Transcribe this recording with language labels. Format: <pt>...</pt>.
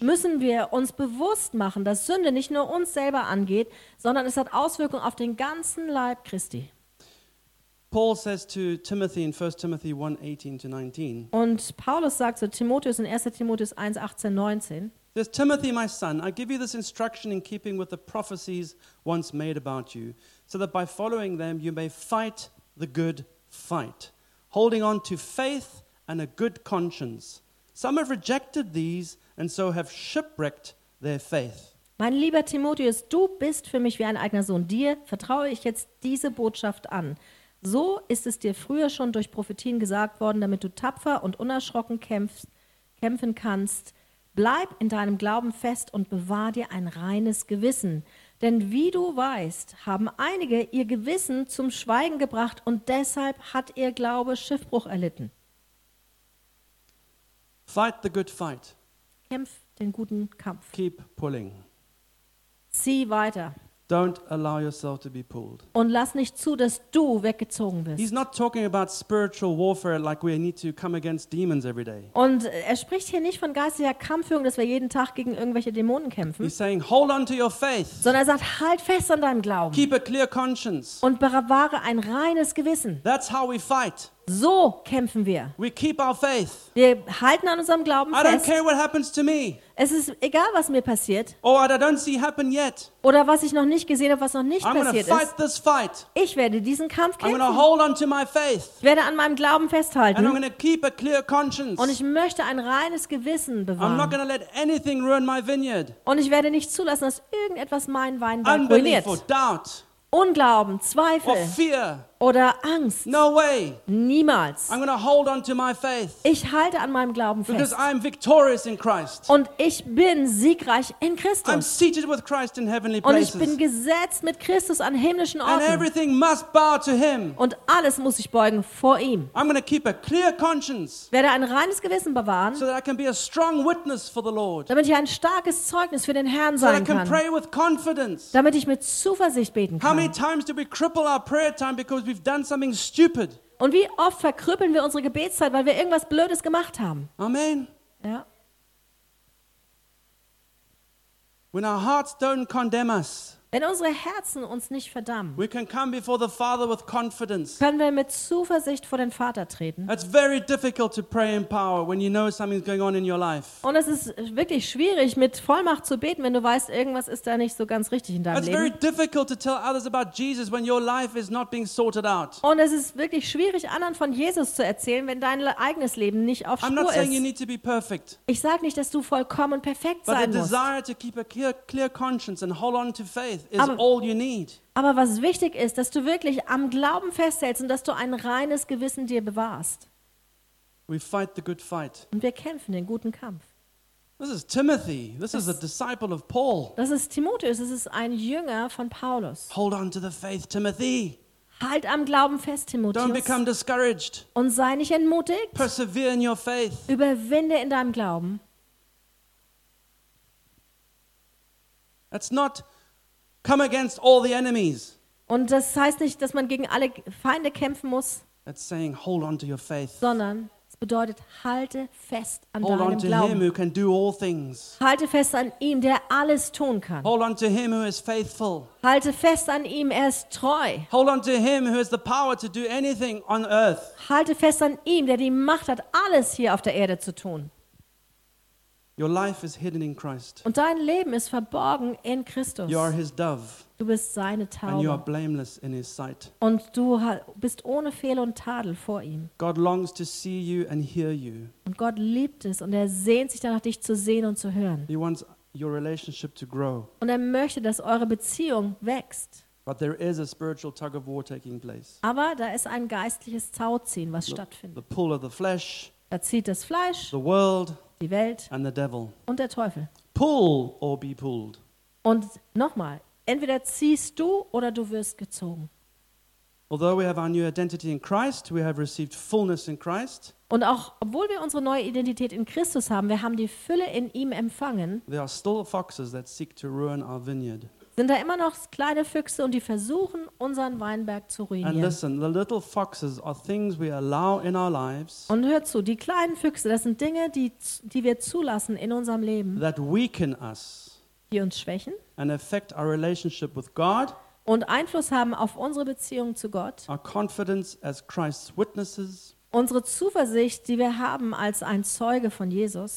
<de>Müssen wir uns bewusst machen, dass Sünde nicht nur uns selber angeht, sondern es hat Auswirkungen auf den ganzen Leib Christi.</de> <en>Paul says to Timothy in 1 Timothy 1:18 to 19.</en> <de>Und Paulus sagt zu Timotheus in 1. Timotheus 1:18-19.</de> <en>This Timothy, my son, I give you this instruction in keeping with the prophecies once made about you, so that by following them you may fight the good fight, holding on to faith and a good conscience. Some have rejected these and so have shipwrecked their faith.</en> <de>Mein lieber Timotheus, du bist für mich wie ein eigener Sohn. Dir vertraue ich jetzt diese Botschaft an. So ist es dir früher schon durch Prophetien gesagt worden, damit du tapfer und unerschrocken kämpfen kannst. Bleib in deinem Glauben fest und bewahr dir ein reines Gewissen. Denn wie du weißt, haben einige ihr Gewissen zum Schweigen gebracht und deshalb hat ihr Glaube Schiffbruch erlitten.</de> <en>Fight the good fight.</en> <de>Kämpf den guten Kampf.</de> <en>Keep pulling.</en> <de>Zieh weiter.</de> <en>Don't allow yourself to be pulled.</en> <de>Und lass nicht zu, dass du weggezogen bist.</de> <en>He's not talking about spiritual warfare like we need to come against demons every day.</en> <de>Und er spricht hier nicht von geistiger Kampfführung, dass wir jeden Tag gegen irgendwelche Dämonen kämpfen.</de> <en>He's saying hold on to your faith.</en> <de>Sondern er sagt, halt fest an deinem Glauben.</de> <en>Keep a clear conscience.</en> <de>Und bewahre ein reines Gewissen.</de> <en>That's how we fight.</en> <de>So kämpfen wir.</de> <en>We keep our faith.</en> <de>Wir halten an unserem Glauben fest.</de> <en>I don't care what happens to me.</en> <de>Es ist egal, was mir passiert.</de> <en>Or I don't see happen yet.</en> <de>Oder was ich noch nicht gesehen habe, was noch nicht</de> <en>I'm</en> <de>passiert</de> <en>gonna fight</en> <de>ist.</de> <en>This fight.</en> <de>Ich werde diesen Kampf kämpfen.</de> <en>I'm gonna hold on to my faith.</en> <de>Ich werde an meinem Glauben festhalten.</de> <en>And I'm gonna keep a clear conscience.</en> <de>Und ich möchte ein reines Gewissen bewahren.</de> <en>I'm not gonna let anything ruin my vineyard.</en> <de>Und ich werde nicht zulassen, dass irgendetwas meinen Weinberg ruiniert.</de> <en>Unbelief or doubt.</en> <de>Unglauben, Zweifel oder Angst.</de> <en>No way.</en> <de>Niemals.</de> <en>I'm gonna hold on to my faith.</en> <de>Ich halte an meinem Glauben fest.</de> <en>Because I'm victorious in Christ.</en> <de>Und ich bin siegreich in Christus.</de> <en>I'm seated with Christ in heavenly places.</en> <de>Und ich bin gesetzt mit Christus an himmlischen Orten.</de> <en>And everything must bow to him.</en> <de>Und alles muss sich beugen vor ihm.</de> <en>I'm gonna keep a clear conscience.</en> <de>Werde ein reines Gewissen bewahren.</de> <en>So that I can be a strong witness for the Lord.</en> <de>Damit ich ein starkes Zeugnis für den Herrn sein kann.</de> <en>So that I can pray with confidence.</en> <de>Damit ich mit Zuversicht beten kann.</de> <en>How many times do we cripple our prayer time because we've done something stupid?</en> <de>Und wie oft verkrüppeln wir unsere Gebetszeit, weil wir irgendwas Blödes gemacht haben?</de> <en>Amen.</en> <de>Ja.</de> <en>When our hearts don't condemn us.</en> <de>Wenn unsere Herzen uns nicht verdammen,</de> <en>we can come before the Father with confidence.</en> <de>Können wir mit Zuversicht vor den Vater treten.</de> <en>It's very difficult to pray in power when you know something's going on in your life.</en> <de>Und es ist wirklich schwierig, mit Vollmacht zu beten, wenn du weißt, irgendwas ist da nicht so ganz richtig in deinem</de> <en>It's</en> <de>Leben.</de> <en>It's very difficult to tell others about Jesus when your life is not being sorted out.</en> <de>Und es ist wirklich schwierig, anderen von Jesus zu erzählen, wenn dein eigenes Leben nicht auf Spur ist.</de> <en>I'm not saying</en> <de>ist.</de> <en>You need to be perfect.</en> <de>Ich sage nicht, dass du vollkommen perfekt</de> <en>But</en> <de>sein</de> <en>the desire</en> <de>musst.</de> <en>To keep a clear conscience and hold on to faith.</en> <de>Is aber,</de> <en>all you need.</en> <de>Aber was wichtig ist, dass du wirklich am Glauben festhältst und dass du ein reines Gewissen dir bewahrst.</de> <en>We fight the good fight.</en> <de>Und wir kämpfen den guten Kampf.</de> <en>This is Timothy. This is a disciple of Paul.</en> <de>Das ist Timotheus. Das ist ein Jünger von Paulus.</de> <en>Hold on to the faith, Timothy.</en> <de>Halt am Glauben fest, Timotheus.</de> <en>Don't become discouraged.</en> <de>Und sei nicht entmutigt.</de> <en>Persevere in your faith.</en> <de>Überwinde in deinem Glauben.</de> <en>It's not Come against all the enemies.</en> <de>Und das heißt nicht, dass man gegen alle Feinde kämpfen muss.</de> <en>That's saying, hold on to your faith.</en> <de>Sondern es bedeutet, halte fest an</de> <en>hold</en> <de>deinem</de> <en>on to</en> <de>Glauben.</de> <en>Him who can do all things.</en> <de>Halte fest an ihm, der alles tun kann.</de> <en>Hold on to him who is faithful.</en> <de>Halte fest an ihm, er ist treu.</de> <en>Hold on to him who has the power to do anything on earth.</en> <de>Halte fest an ihm, der die Macht hat, alles hier auf der Erde zu tun.</de> <en>Your life is hidden in Christ.</en> <de>Und dein Leben ist verborgen in Christus.</de> <en>You are his dove.</en> <de>Du bist seine Taube.</de> <en>And you are blameless in his sight.</en> <de>Und du bist ohne Fehl und Tadel vor ihm.</de> <en>God longs to see you and hear you.</en> <de>Und Gott liebt es und er sehnt sich danach, dich zu sehen und zu hören.</de> <en>He wants your relationship to grow.</en> <de>Und er möchte, dass eure Beziehung wächst.</de> <en>But there is a spiritual tug of war taking place.</en> <de>Aber da ist ein geistliches Tauziehen, was stattfindet.</de> <en>The pull of the flesh.</en> <de>Da zieht das Fleisch.</de> <en>The world.</en> <de>Die Welt</de> <en>and the devil.</en> <de>Und der Teufel.</de> <en>Pull or be pulled.</en> <de>Und nochmal, entweder ziehst du oder du wirst gezogen.</de> <en>Although we have our new identity in Christ, we have received fullness in Christ.</en> <de>Und auch obwohl wir unsere neue Identität in Christus haben, wir haben die Fülle in ihm empfangen.</de> <en>There are still foxes that seek to ruin our vineyard.</en> <de>Sind da immer noch kleine Füchse und die versuchen unseren Weinberg zu ruinieren.</de> <en>And listen, the little foxes are things we allow in our lives.</en> <de>Und hör zu, die kleinen Füchse, das sind Dinge, die wir zulassen in unserem Leben.</de> <en>That weaken us.</en> <de>Die uns schwächen.</de> <en>And affect our relationship with God.</en> <de>Und Einfluss haben auf unsere Beziehung zu Gott.</de> <en>Our confidence as Christ's witnesses.</en> <de>Unsere Zuversicht, die wir haben als ein Zeuge von Jesus.</de>